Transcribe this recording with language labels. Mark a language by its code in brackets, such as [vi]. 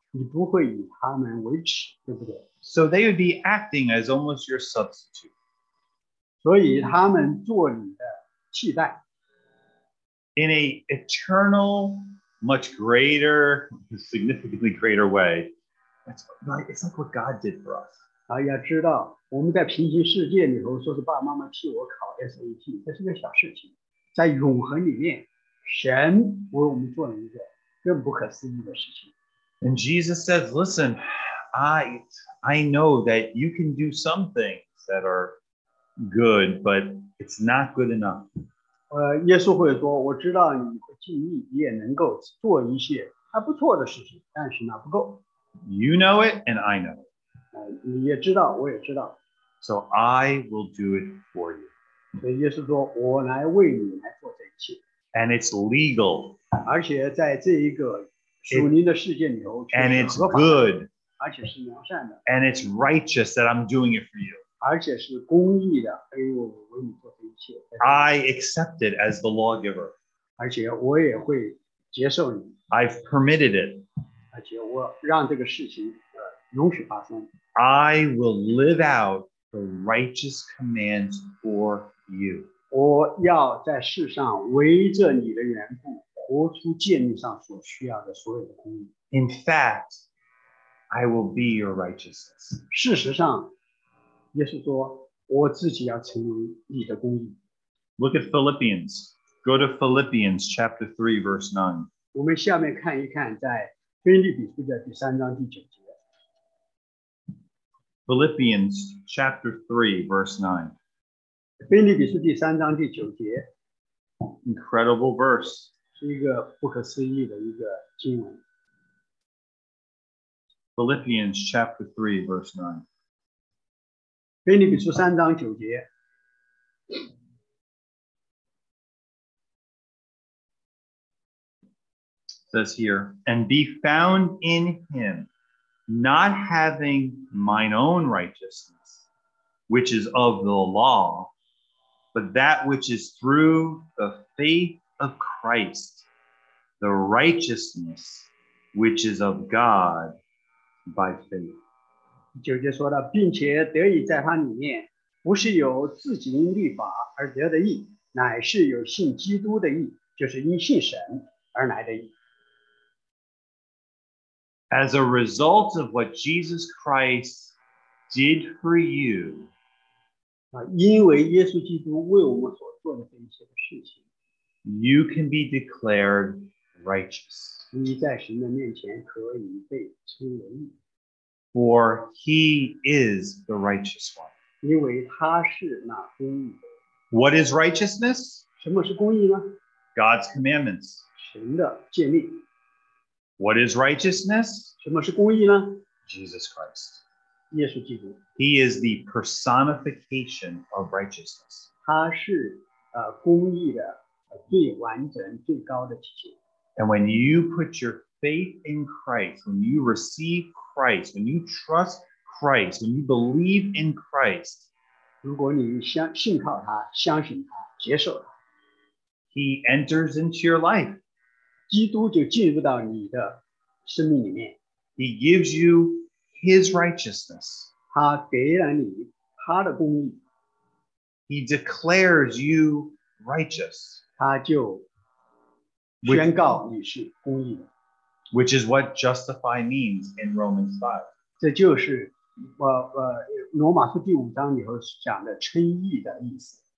[zh] 如果你爸爸妈妈代替你成就了这一个800分考数学，你不会以他们为耻，对不对？ [en] So they would be acting as almost your substitute. [zh] 所以他们做你的替代。 [en] In an eternal, much greater, significantly greater way, it's like what God did for us. [zh] 要知道，我们在平行世界里头，说是爸爸妈妈替我考 SAT， 这是个小事情，在永恒里面神为我们做了一个更不可思议的事情。 [en] And Jesus says, listen, I know that you can do some things that are good, but it's not good enough. [zh] 耶稣会说，我知道你会尽力，你也能够做一些还不错的事情，但是那不够。 [en] You know it, and I know it. [zh] 你也知道，我也知道。 [en] So I will do it for you. [zh] 所以耶稣说，我来为你来做这一切。 [en] And it's legal. [zh] 而且在这一个属灵的世界里头， [en] And it's good. [zh] 而且是良善的。 [en] And it's righteous that I'm doing it for you. [zh] 而且是公义的，哎呦，我为你做这一切。 [en] I accept it as the lawgiver. [zh] 而且我也会接受你。 [en] I've permitted it. [zh] 而且我让这个事情允许发生。 [en] I will live out the righteous commands for you. [zh] 我要在世上为着你的缘故活出诫命上所需要的所有的公义。 [en] In fact, I will be your righteousness. [zh] 事实上，耶稣说，我自己要成为你的公义。 [en] Look at Philippians. Go to Philippians chapter 3, verse 9. [zh] 我们下面看一看在腓立比书的第三章第九节。 [en] Philippians chapter 3, verse 9. [zh] 腓立比书第三章第九节 [en] Incredible verse. [zh] 是一个不可思议的一个经文 [en] Philippians chapter 3 verse 9. [zh] 腓立比书三章九节 [en] says here, and be found in him, not having mine own righteousness, which is of the law,But that which is through the faith of Christ, the righteousness which is of God by faith. [zh] 九节说到，并且得以在他里面，不是有自己因律法而得的义，乃是有信基督的义，就是因信神而来的义。 [en] As a result of what Jesus Christ did for you, [zh] 因为耶稣基督为我们所做的这一些的事情 [en] You can be declared righteous. [zh] 你在神的面前可以被称为义 [en] For he is the righteous one. [zh] 因为他是那公义的 [en] What is righteousness? [zh] 什么是公义呢 [en] God's commandments. [zh] 神的诫命 [en] What is righteousness? [zh] 什么是公义呢 [en] Jesus Christ. [zh] 耶稣基督 [en] He is the personification of righteousness. [zh] 他是公义的最完整最高的体现。 [en] And when you put your faith in Christ, when you receive Christ, when you trust Christ, when you believe in Christ, [zh] 如果你信靠他，相信他，接受他， [en] He enters into your life. [zh] 基督就进入到你的生命里面。 [en] He gives youHis righteousness. [zh] 他给了你他的公义。 [en] He declares you righteous. [zh] 他就宣告你是公义的。 [en] Which is what justify means in Romans 5. [zh] 这就是罗马书第五章里头讲的称义的意思。